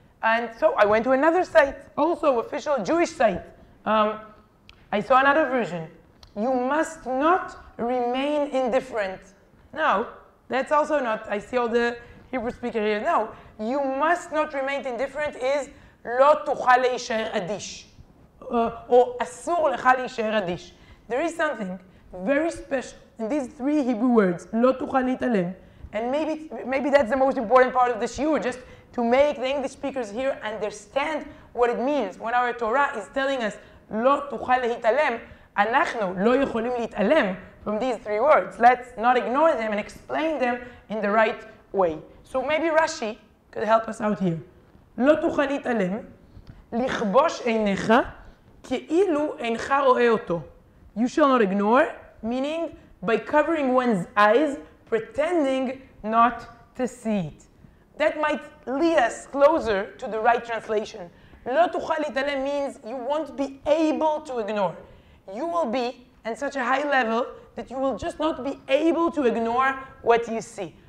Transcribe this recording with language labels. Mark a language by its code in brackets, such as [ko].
[en] And so I went to another site, also official Jewish site. I saw another version. You must not remain indifferent. No. That's also not, I see all the Hebrew speaker here. No, you must not remain indifferent is [he] לא תוכל להישאר אדיש. Or אסור לך להישאר אדיש. [en] There is something very special in these three Hebrew words, [he] לא תוכל להתעלם. [en] And maybe that's the most important part of the shiur, just to make the English speakers here understand what it means when our Torah is telling us [he] לא תוכל להתעלם, אנחנו לא יכולים להתעלם. [en] From these three words, let's not ignore them and explain them in the right way. So maybe Rashi could help us out here. [he] לא תוכל להתעלם, לכבוש עיניך, כאילו אינך רואה אותו. [en] You shall not ignore, meaning by covering one's eyes, pretending not to see it. That might lead us closer to the right translation. [he] לא תוכל להתעלם [en] means you won't be able to ignore. You will be at such a high level that you will just not be able to ignore what you see.